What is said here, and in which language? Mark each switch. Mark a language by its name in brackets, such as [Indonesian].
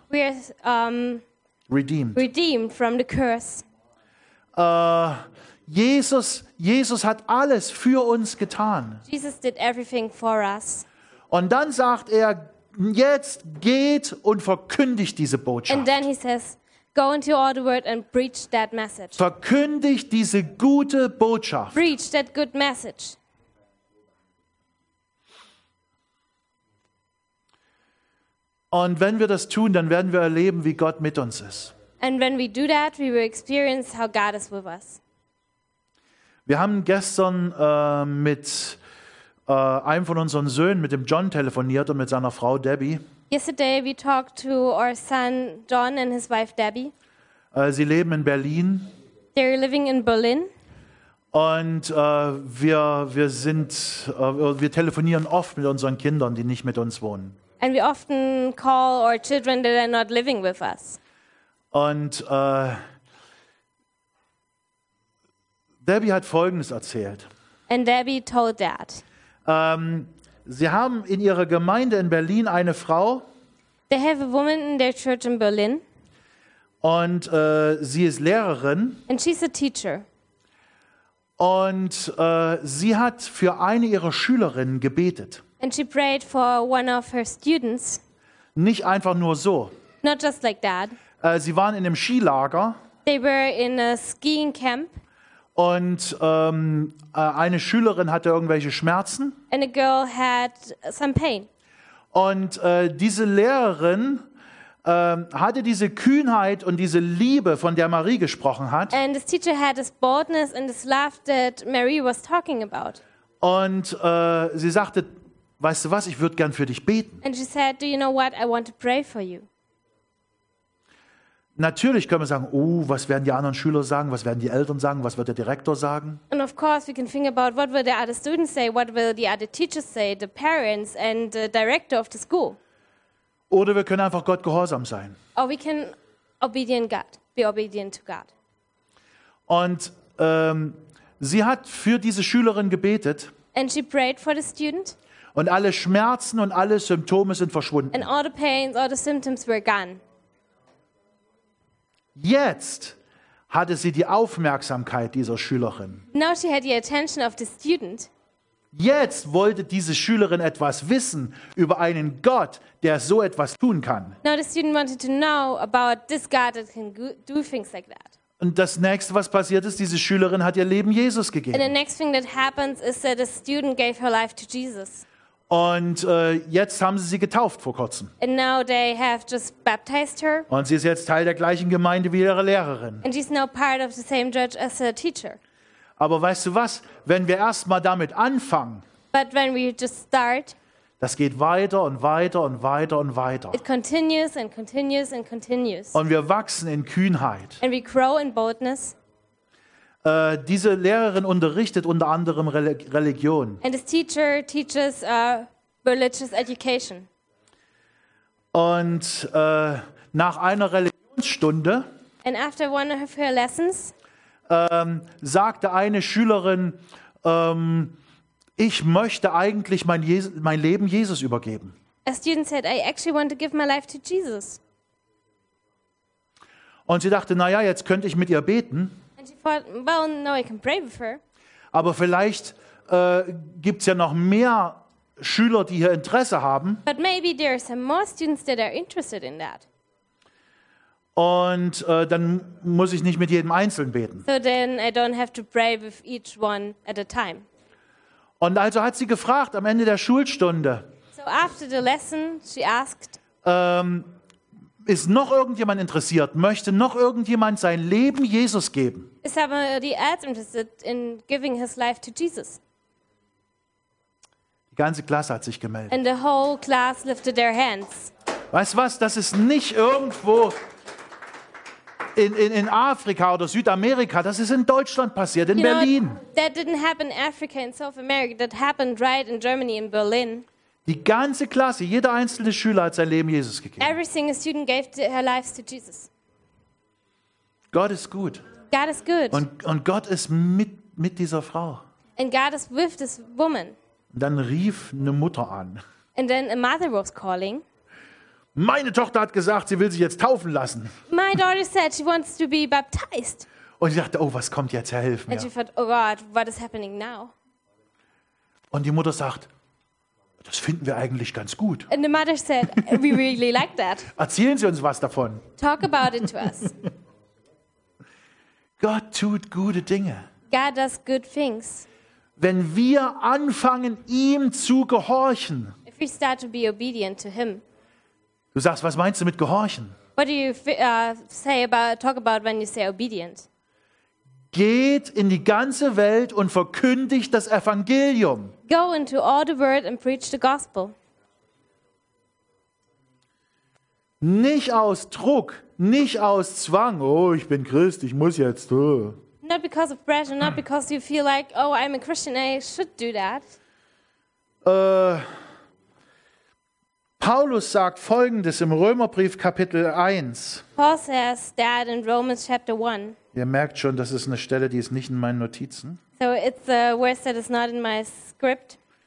[English] We are redeemed from the curse. [German] Jesus hat alles für uns getan. [English] Jesus did everything for us. [German] Und dann sagt er, jetzt geht und verkündigt diese Botschaft. [English] And then he says, go into all the world and preach that message. [German] Verkündigt diese gute Botschaft. [English] Preach that good message. [German] Und wenn wir das tun, dann werden wir erleben, wie Gott mit uns ist. [English] And when we do that, we will experience how God is with us. [German] Wir haben gestern mit einem von unseren Söhnen, mit dem John, telefoniert und mit seiner Frau Debbie. [English] Yesterday we talked to our son John and his wife Debbie. [German] Sie leben in Berlin. [English] They're living in Berlin. [German] Und wir telefonieren oft mit unseren Kindern, die nicht mit uns wohnen. [English] And we often call our children that are not living with us. [German] Und Debbie hat Folgendes erzählt. [English] And Debbie told that. [German] Sie haben in ihrer Gemeinde in Berlin eine Frau. [English] They have a woman in their church in Berlin. [German] Und sie ist Lehrerin. [English] And she's a teacher. [German] Und sie hat für eine ihrer Schülerinnen gebetet. [English] And she prayed for one of her students. [German] Nicht einfach nur so. [English] Not just like that. [German] Sie waren in einem Skilager. [English] They were in a skiing camp. [German] Und eine Schülerin hatte irgendwelche Schmerzen. [English] And a girl had some pain. [German] Und diese Lehrerin hatte diese Kühnheit und diese Liebe, von der Marie gesprochen hat. [English] And this teacher had this boldness and this love that Marie was talking about. [German] Und sie sagte, weißt du was, ich würde gern für dich beten. [English] And she said, do you know what, I want to pray for you. [German] Natürlich können wir sagen, oh, was werden die anderen Schüler sagen, was werden die Eltern sagen, was wird der Direktor sagen? [English] And of course we can think about what will the other students say, what will the other teachers say, the parents and the director of the school. [German] Oder wir können einfach Gott gehorsam sein. [English] Or we can obedient God, be obedient to God. [German] Und sie hat für diese Schülerin gebetet. [English] And she prayed for the student. [German] Und alle Schmerzen und alle Symptome sind verschwunden. [English] And all the pains, all the symptoms were gone. [German] Jetzt hatte sie die Aufmerksamkeit dieser Schülerin. [English] Now she had the attention of the student. [German] Jetzt wollte diese Schülerin etwas wissen über einen Gott, der so etwas tun kann. [English] Now the student wanted to know about this God that can do things like that. [German] Und das nächste, was passiert ist, diese Schülerin hat ihr Leben Jesus gegeben. [English] And the next thing that happens is that the student gave her life to Jesus. [German] Und jetzt haben sie getauft vor kurzem. [English] And now they have just baptized her. [German] Und sie ist jetzt Teil der gleichen Gemeinde wie ihre Lehrerin. [English] And she's now part of the same church as her teacher. [German] Aber weißt du was? Wenn wir erst mal damit anfangen, [English] but when we just start, [German] das geht weiter und weiter und weiter und weiter. [English] It continues and continues and continues. [German] Und wir wachsen in Kühnheit. [English] And we grow in boldness. [German] Diese Lehrerin unterrichtet unter anderem Religion. [English] And this teacher teaches religious education. [German] Und nach einer Religionsstunde [English] and after one of her lessons, [German] sagte eine Schülerin, ich möchte eigentlich mein Leben Jesus übergeben. [English] A student said, I actually want to give my life to Jesus. [German] Und sie dachte, naja, jetzt könnte ich mit ihr beten. [English] Thought, well, no, I can pray with her. [German] Aber vielleicht gibt's ja noch mehr Schüler, die hier Interesse haben. [English] But maybe there are some more students that are interested in that. [German] Und dann muss ich nicht mit jedem einzeln beten. [English] So then I don't have to pray with each one at a time. [German] Und also hat sie gefragt am Ende der Schulstunde. [English] So after the lesson, she asked. [German] Ist noch irgendjemand interessiert? Möchte noch irgendjemand sein Leben Jesus geben? [English] Is somebody else interested in giving his life to Jesus? [German] Die ganze Klasse hat sich gemeldet. [English] And the whole class lifted their hands. [German] Weißt du was? Das ist nicht irgendwo in Afrika oder Südamerika. Das ist in Deutschland passiert, in Berlin. [English] That didn't happen in Africa, in South America. That happened right in Germany, in Berlin. [German] Die ganze Klasse, jeder einzelne Schüler hat sein Leben Jesus gegeben. [English] Every single student gave their lives to Jesus. [German] Gott ist gut. [English] God is good. [German] Und Gott ist mit dieser Frau. [English] And God is with this woman. [German] Und dann rief eine Mutter an. [English] And then a mother was calling. [German] Meine Tochter hat gesagt, sie will sich jetzt taufen lassen. [English] My daughter said she wants to be baptized. [German] Und sie dachte, oh, was kommt jetzt, Herr, hilf mir. [English] And she thought, oh God, what is happening now? [German] Und die Mutter sagt, das finden wir eigentlich ganz gut. [English] And the mother said, we really like that. [German] Erzählen Sie uns was davon. [English] Talk about it to us. [German] Gott tut gute Dinge. [English] God does good things. [German] Wenn wir anfangen, ihm zu gehorchen. [English] If we start to be obedient to him. [German] Du sagst, was meinst du mit gehorchen? [English] What do you talk about when you say obedient? [German] Geht in die ganze Welt und verkündigt das Evangelium. [English] Go into all the world and preach the gospel. [German] Nicht aus Druck, nicht aus Zwang. Oh, ich bin Christ, ich muss jetzt. Oh. [English] Not because of pressure, not because you feel like, oh, I'm a Christian, I should do that. [German] Paulus sagt Folgendes im Römerbrief Kapitel 1. [English] Paul says that in Romans chapter 1. [German] Ihr merkt schon, das ist eine Stelle, die ist nicht in meinen Notizen. [English] So it's a verse that is not in my script.